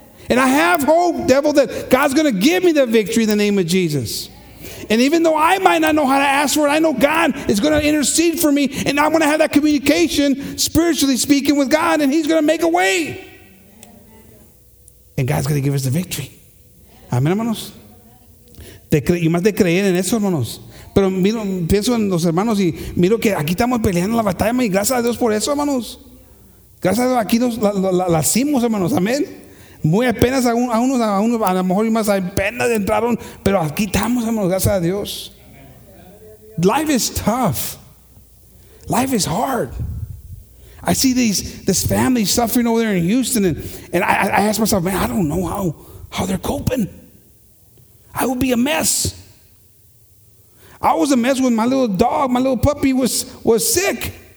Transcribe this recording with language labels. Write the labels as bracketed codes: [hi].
[en] And I have hope, devil, that God's going to give me the victory in the name of Jesus. And even though I might not know how to ask for it, I know God is going to intercede for me, and I'm going to have that communication, spiritually speaking, with God, and he's going to make a way. And God's going to give us the victory. [es] Amén, hermanos. Y más de creer en eso, hermanos. Pero miro, pienso en los hermanos y miro que aquí estamos peleando la batalla, y gracias a Dios por eso, hermanos. Gracias a Dios, aquí nos la hicimos, hermanos. Amén. Muy apenas a unos, a lo mejor y más apenas entraron, pero aquí estamos, hermanos, gracias a Dios. [en] Life is tough. Life is hard. I see this family suffering over there in Houston, and I ask myself, man, I don't know how they're coping. I would be a mess. I was a mess when my little dog, my little puppy was sick.